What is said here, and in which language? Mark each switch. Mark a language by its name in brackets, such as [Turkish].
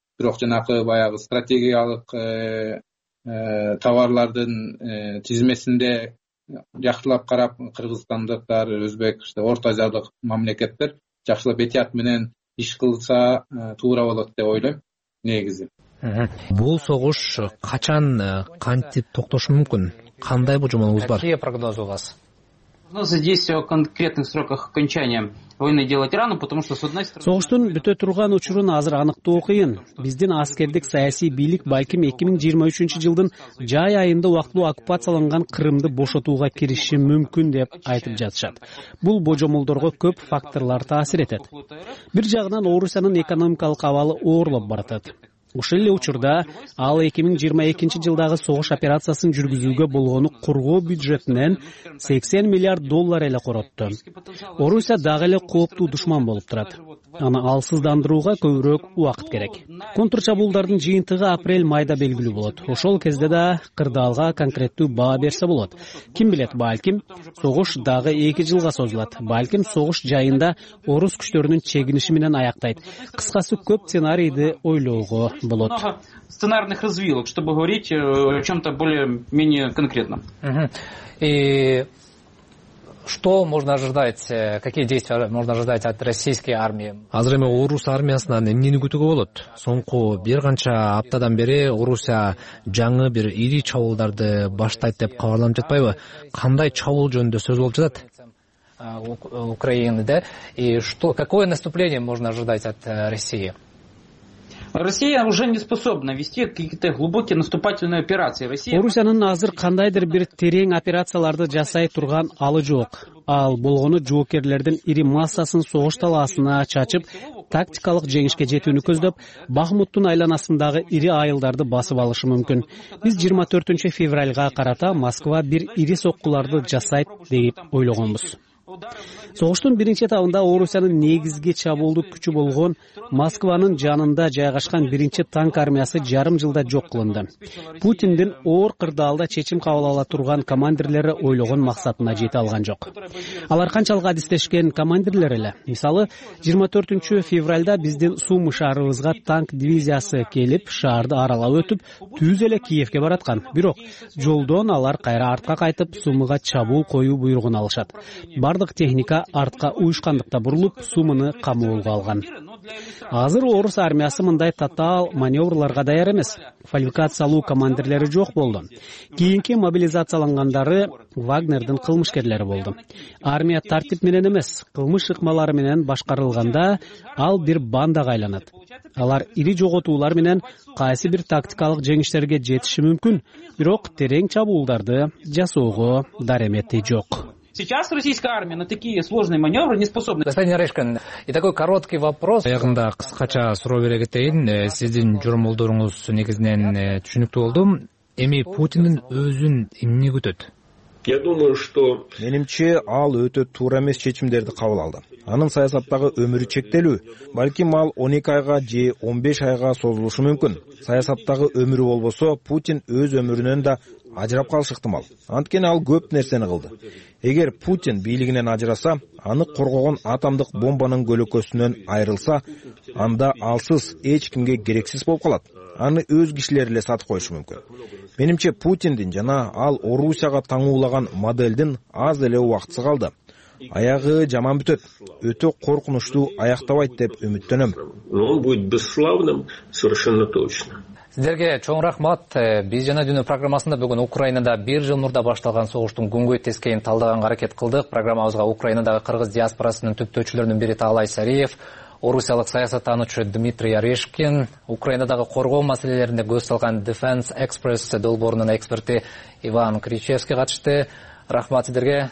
[Kyrgyz] Бирок жанакы баягы стратегиялык товарлардын тизмесинде жакшылап карап, кыргызстандыктар, өзбек, орто азиялык мамлекеттер жакшылап этият менен иш кылса туура болот деп ойлойм негизи. Бул согуш качан, кантип токтошу мүмкүн? Кандай божомолуңуз бар? [Russian] Какие прогнозы у вас? Прогнозы здесь о конкретных сроках окончания войны делать рано, потому что с одной стороны. [Kyrgyz] Согуштун бүтө турган учурун азыр аныктоо кыйын. Биздин аскердик саясий бийлик балким 2023 жылдын жай айында убактылуу оккупацияланган Кырымды бошотууга киришиши мүмкүн деп айтып жатышат. Бул божомолдорго көп факторлор таасир этет. Бир жагынан Орусиянын экономикалык абалы оорлоп баратат. Ушул эле учурда ал 2022 жылдагы согуш операциясын жүргүзүүгө болгону коргоо бюджетинен 80 миллиард доллар эле коротту. Орусия дагы эле кооптуу душман болуп турат. Аны алсыздандырууга көбүрөөк убакыт керек. Контур чабуулдардын жыйынтыгы апрель майда белгилүү болот. Ошол кезде да кырдаалга конкреттүү баа берсе болот. Ким билет, балким согуш дагы 2 жылга созулат. Балким согуш жайында орус күчтөрүнүн чегиниши менен аяктайт. Кыскасы көп сценарийди ойлоого болот. [Russian] Сценарных развилок, чтобы говорить о чем-то более-менее конкретном. И что можно ожидать, какие действия можно ожидать от российской армии? [Kyrgyz] Азыр эми орус армиясынан эмнени күтүүгө болот? Соңку бир канча аптадан бери Орусия жаңы бир ири чабуулдарды баштайт деп кабарланып жатпайбы? Кандай чабуул жөнүндө сөз болуп жатат? [Russian] Украины, да? И что, какое наступление можно ожидать от России? Россия уже не способна вести какие-то глубокие наступательные операции. [Kyrgyz] Орусиянын азыр кандайдыр бир терең операцияларды жасай турган алы жок. Ал болгону жоокерлердин ири массасын согуш талаасына чачып, тактикалык жеңишке жетүүнү көздөп, Бахмуттун айланасындагы ири айылдарды басып алышы мүмкүн. Биз 24 февральга карата Москва бир ири соккуларды жасайт деп ойлогонбуз. Согуштун биринчи этабында Орусиянын негизги чабуулдук күчү болгон Москванын жанында жайгашкан биринчи танк армиясы жарым жылда жок кылынды. Путиндин оор кырдаалда чечим кабыл ала турган командирлери ойлогон максатына жете алган жок. Алар канчалык адистешкен командирлер эле? Мисалы, 24 февральда биздин Сумы шаарыбызга танк дивизиясы келип, шаарды аралап өтүп, түз эле Киевке бараткан. Бирок жолдон алар кайра артка кайтып, Сумыга чабуул коюу буйругун алышат. Бардык техника артка уюшкандыкта бурулуп, Сумыны камоолго алган. Азыр орус армиясы мындай татаал маневрларга даяр эмес. Квалификациялуу командирлери жок болду. Кийинки мобилизациялангандары Вагнердин кылмышкерлери болду. Армия тартип менен эмес, кылмыш ыкмалары менен башкарылганда ал бир бандага айланат. Алар ири жоготуулар менен кайсы бир тактикалык жеңиштерге жетиши мүмкүн, бирок терең чабуулдарды жасоого дарамети жок. [Russian] Сейчас российская армия на такие сложные маневры не способна. Господин Орешкин, и такой короткий вопрос. [Kyrgyz] Аягында кыскача суроо бере кетейин. Сиздин жоромолдоруңуз негизинен түшүнүктүү болдум. Эми Путиндин өзүн эмне күтөт? [Russian] Я думаю, что [Kyrgyz] менимче ал өтө туура эмес чечимдерди кабыл алды. Анын саясаттагы өмүрү чектелүү. Балким ал 12 айга же 15 айга созулушу мүмкүн. Саясаттагы өмүрү болбосо, Путин өз өмүрүнөн да ажырап калышы ыктымал. Анткени ал көп нерсени кылды. Эгер Путин бийлигинен ажыраса, аны коргогон атомдук бомбанын көлөкөсүнөн айрылса, анда алсыз эч кимге керексиз болуп калат. Аны өз кишилери эле сатып коюшу мүмкүн. Менимче Путиндин жана ал Орусияга таңуулаган моделдин аз эле убактысы калды. Аягы жаман бүтөт. Өтө коркунучтуу аяктабайт деп үмүттөнөм. [Russian] Он будет бесславным, совершенно точно. [Kyrgyz] Сиздерге чоң рахмат. Биз жана дүйнө программасында бүгүн Украинада бир жыл мурда башталган согуштун күнгөй тескерин талдаганга аракет кылдык. Программабызга Украинадагы кыргыз диаспорасынын түптөчүлөрүнүн бири Таалай Сариев, орусиялык саясаттануучу Дмитрий Орешкин, Украинадагы коргоо маселелеринде көз салган Defense Express долбоорунун эксперти Иван Кричевский катышты. Рахмат сиздерге.